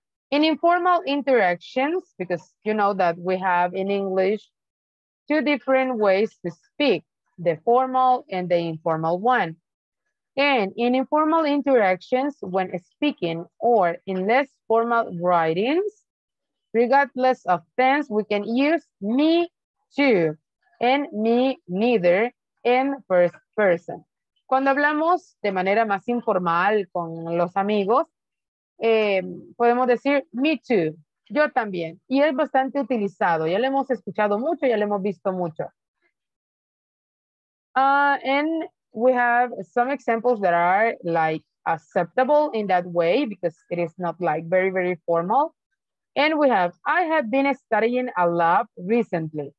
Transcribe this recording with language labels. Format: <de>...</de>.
<en>In informal interactions, because you know that we have in English two different ways to speak, the formal and the informal one. And in informal interactions when speaking or in less formal writings, regardless of tense, we can use me too and me neither in first person.</en> <es>Cuando hablamos de manera más informal con los amigos, podemos decir me too, yo también. Y es bastante utilizado, ya lo hemos escuchado mucho, ya lo hemos visto mucho.</es> <en>And we have some examples that are like acceptable in that way because it is not like very, very formal. And we have, I have been studying a lot recently.</en>